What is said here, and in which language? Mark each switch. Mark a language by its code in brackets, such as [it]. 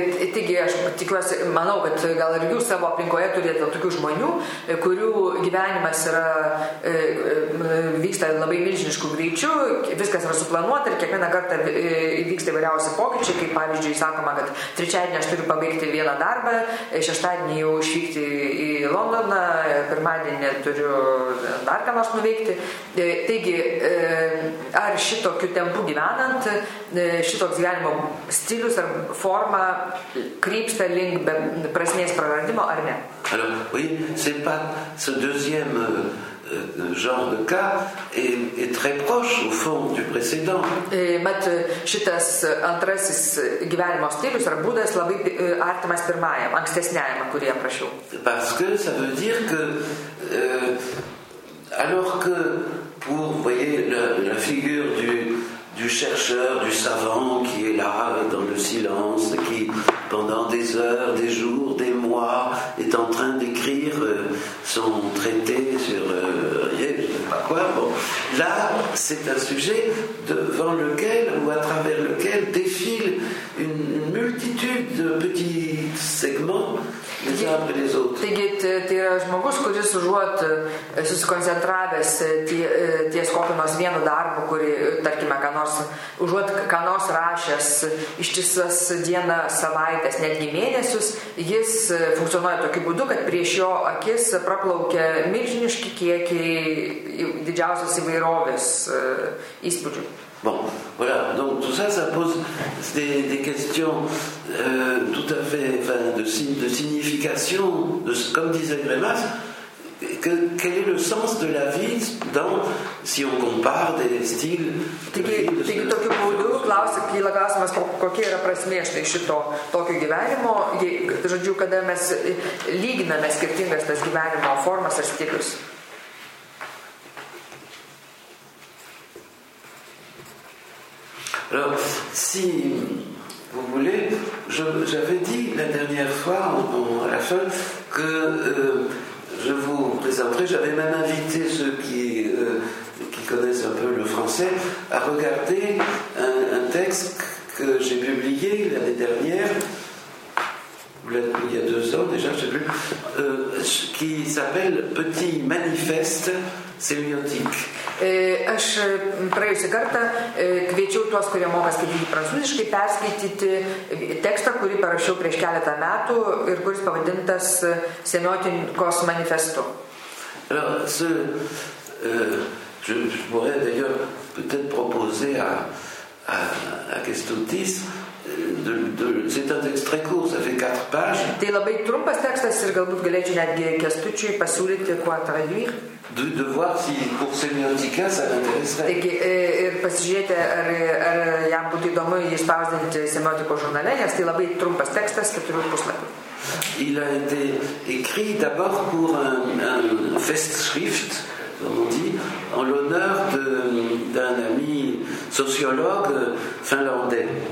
[lt] Taigi, aš tikiuosi, manau, kad gal ir jūs savo aplinkoje turėtų tokių žmonių, kurių gyvenimas yra vyksta labai milžiniškų greičių, viskas yra suplanuota ir kiekvieną kartą vyksta įvairiausi pokyčiai, kaip pavyzdžiui, sakoma, kad trečiadienį aš turiu pabaigti vieną darbą, šeštadienį jau išvykti į Londoną, pirmadienį turiu dar ką nors nuveikti. Taigi, ar šitokiu tempu gyvenant, šitoks gyvenimo stilius ar forma crypte link be prasmės praradimo ar ne? [fr] Alors, oui, c'est pas ce deuxième genre de cas est très proche au fond du précédent. [lt] Mat šitas antrasis gyvenimo stilius ar būdas labai artimas pirmajam, ankstesniajam, kurį aprašiau. [fr] Parce que ça veut dire que alors que pour vous voyez la figure du chercheur, du savant qui est là dans le silence, qui pendant des heures, des jours, des mois est en train d'écrire son traité sur je ne sais pas quoi. Bon, là, c'est un sujet devant lequel ou à travers lequel défile une multitude de petits segments. [lt] Taigi, tai yra žmogus, kuris užuot susikoncentravęs ties kokio nors vieno darbo, kuri, tarkime, užuot ką nors rašęs ištisas dieną, savaitės, netgi mėnesius, jis funkcionuoja tokiu būdu, kad prieš jo akis praplaukia milžiniški kiekiai didžiausios įvairovės įspūdžių. [fr] Bon, voilà, donc tout ça, ça pose des questions tout à fait enfin, de signification, comme disait Grémas, quel est le sens de la vie dans, si on compare des styles. [lt] Tokiu būdu, klausimas, kokia yra prasmė štai šito tokio gyvenimo, žodžiu, kada mes lyginame skirtingas tas gyvenimo formas ir stilius. [fr] Alors, si vous voulez, j'avais dit la dernière fois, à la fin, que je vous présenterai, j'avais même invité ceux qui connaissent un peu le français à regarder un texte que j'ai publié l'année dernière, il y a deux ans déjà, je ne sais plus, qui s'appelle « Petit manifeste sémiotique ». [lt] Aš praėjusį kartą kviečiau tuos, kurie moka skaityti prancūziškai, perskaityti tekstą, kurį parašiau prieš keletą metų ir kuris pavadintas semiotikos manifestu. [fr] Alors, je pourrais d'ailleurs peut-être proposer à Kestutis c'est un texte très court, ça fait 4 pages. [lt] Tai labai trumpas tekstas ir galbūt galėčiau netgi Kestučiui pasiūlyti kuo traduire. [fr] De voir si pour sémiotica ça l'intéresserait. [lt] Taigi, ir pasižiūrėti, ar jam būtų įdomu išspausdinti semiotikos žurnale, nes tai labai trumpas tekstas, 4 puslapių. [fr] Il a été écrit d'abord pour un festschrift, comme on dit, en l'honneur d'un ami sociologue finlandais.